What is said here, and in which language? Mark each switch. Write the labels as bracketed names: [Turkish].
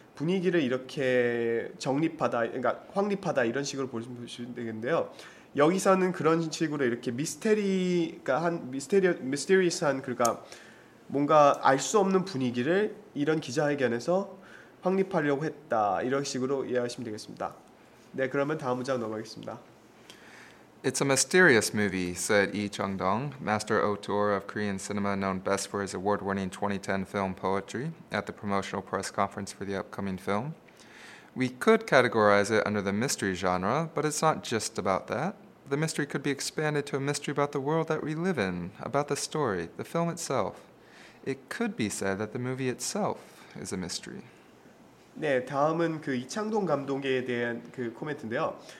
[Korean] 분위기를 이렇게 정립하다, 그러니까 확립하다 이런 식으로 보시면 되겠는데요. 여기서는 그런 식으로 이렇게 미스테리가 한 미스테리스한 그러니까 뭔가 알 수 없는 분위기를 이런 기자회견에서 확립하려고 했다 이런 식으로 이해하시면 되겠습니다. 네, 그러면 다음 문장 넘어가겠습니다. [English] It's a mysterious movie, said Lee Chung-dong, master auteur of Korean cinema known best for his award-winning 2010 film Poetry, at the promotional press conference for the upcoming film. We could categorize it under the mystery genre, but it's not just about that. The mystery could be expanded to a mystery about the world that we live in, about the story, the film itself. It could be said that the movie itself is a mystery. [Korean] 네, 다음은 그 이창동 감독에 대한 그 코멘트인데요.